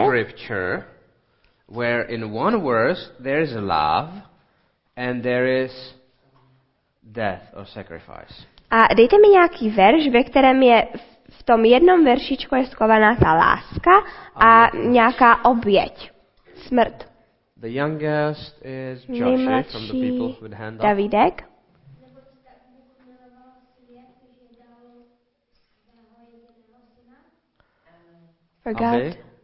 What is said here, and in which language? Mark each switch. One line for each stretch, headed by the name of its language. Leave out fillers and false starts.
English: A scripture where in one verse there is love and there is death or sacrifice.
Czech: A dejte mi nějaký verš, ve kterém je v tom jednom veršičku je schovaná ta láska a nějaká oběť, smrt.
English: The youngest is Joshua from the people with hand up.
Czech: Davidek.
English: For God.